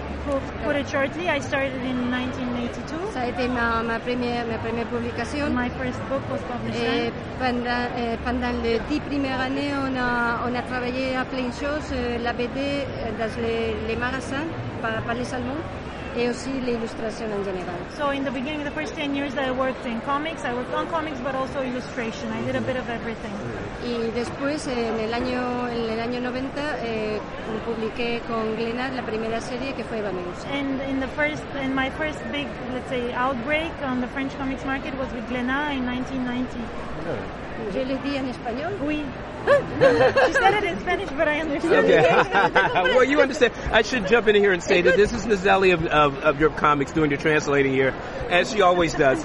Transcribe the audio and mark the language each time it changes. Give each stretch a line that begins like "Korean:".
English: Put it shortly, I started in 1982.
French: Ça a été ma première publication.
English: My first book was published.
French: Et pendant les 10 premières années, on a travaillé à plein de choses. La BD dans les magasins, pas les salons. Et aussi l'illustration en général.
English: So in the beginning, the first 10 years, I worked in comics. I worked on comics, but also illustration. I did a bit of everything.
Spanish: Y después, en el año 90, publiqué con Glénat la primera serie, que fue Vanus.
English: And in my first big, let's say, outbreak on the French comics market was with Glénat in 1990.
Spanish: Yo le di en español.
French: Oui.
English: She said it in Spanish, but I understood. Okay. Well, you understand. I should jump in here and say that this is Nazelli of Europe Comics doing your translating here, as she always does.